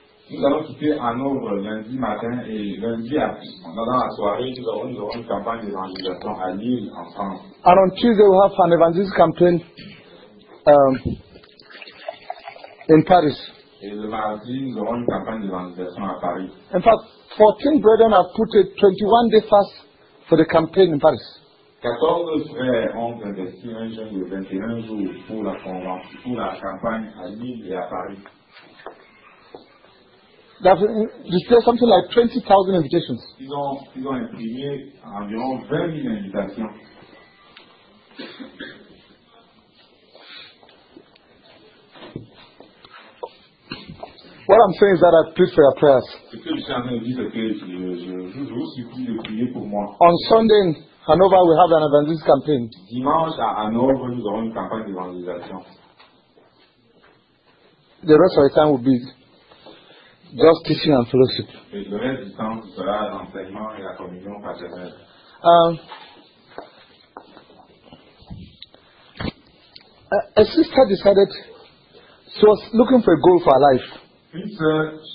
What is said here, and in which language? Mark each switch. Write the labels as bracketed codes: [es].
[fr] Nous allons quitter Hanover lundi matin et lundi pendant la soirée, nous aurons une campagne d'évangélisation à Lille en France. [en] And on Tuesday we have an evangelist campaign in Paris. [fr] Et le mardi, nous aurons une campagne d'évangélisation à Paris. [en] In fact, 14 brethren have put a 21-day fast for the campaign in Paris. [fr] 14 frères ont investi un jeûne de 21 jours pour la convention, pour la campagne à Lille et à Paris. [en] There's still something like 20,000 invitations. [fr] Ils ont imprimé environ 20 000 invitations. [en] What I'm saying is that I plead for your prayers. [fr] Ce que je suis en train de dire, c'est que je vous supplie de prier pour moi. [en] On Sunday, Hanover, we have an evangelist campaign. [fr] Dimanche à Hanover, nous aurons une campagne d'évangélisation. [en] The rest of the time will be just teaching and fellowship. A sister decided she was looking for a goal for her life.